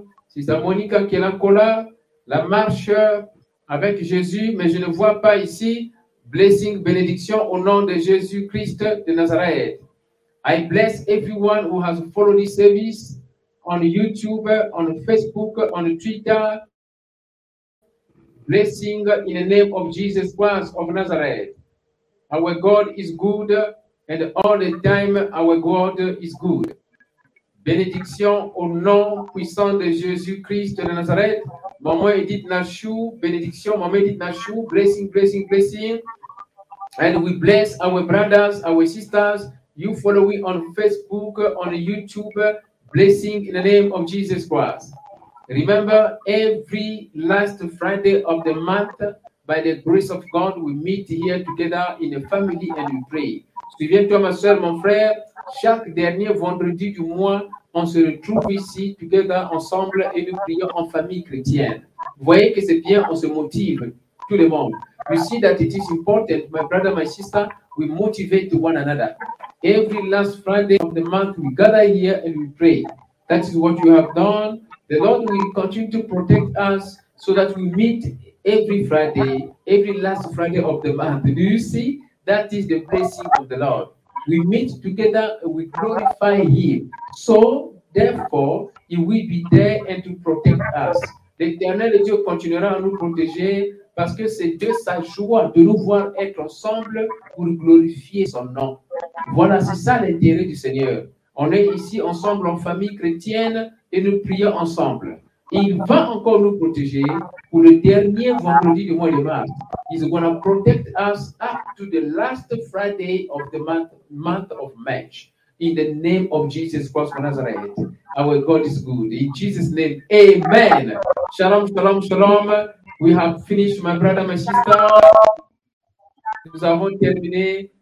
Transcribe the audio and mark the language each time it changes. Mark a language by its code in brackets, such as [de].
[fr] Sister Monica qui est là, Cola, la marche avec Jésus, mais je ne vois pas ici. [en] Blessing, [fr] bénédiction au nom de Jésus Christ de Nazareth. [en] I bless everyone who has followed this service on YouTube, on Facebook, on Twitter. Blessing in the name of Jesus Christ of Nazareth. Our God is good, and all the time our God is good. [fr] Bénédiction au nom puissant de Jésus-Christ de Nazareth. Maman Edith Nashu, bénédiction, Maman Edith Nashu, [en] blessing, blessing, blessing. And we bless our brothers, our sisters, you following on Facebook, on YouTube, blessing in the name of Jesus Christ. Remember, every last Friday of the month, by the grace of God, we meet here together in a family and we pray. [fr] Souviens-toi, ma soeur, mon frère, chaque dernier vendredi du mois, on se retrouve ici, [en] together, [fr] ensemble, et nous prions en famille chrétienne. Vous voyez que c'est bien, on se motive, tout le monde. [en] You see that it is important, my brother, my sister, we motivate one another. Every last Friday of the month, we gather here and we pray. That is what you have done. The Lord will continue to protect us so that we meet every Friday, every last Friday of the month. Do you see? That is the blessing of the Lord. We meet together and we glorify Him. So, therefore, He will be there and to protect us. [fr] L'Éternel Dieu continuera à nous protéger parce que c'est de sa joie de nous voir être ensemble pour glorifier son nom. Voilà, c'est ça l'intérêt du Seigneur. On est ici ensemble en famille chrétienne et nous prions ensemble. Il va encore nous protéger pour le dernier vendredi du mois de mars. [en] He's going to protect us up to the last Friday of the month of March. In the name of Jesus Christ of Nazareth, our God is good. In Jesus' name, amen. Shalom, shalom, shalom. We have finished, my brother, my sister. [fr] Nous avons terminé.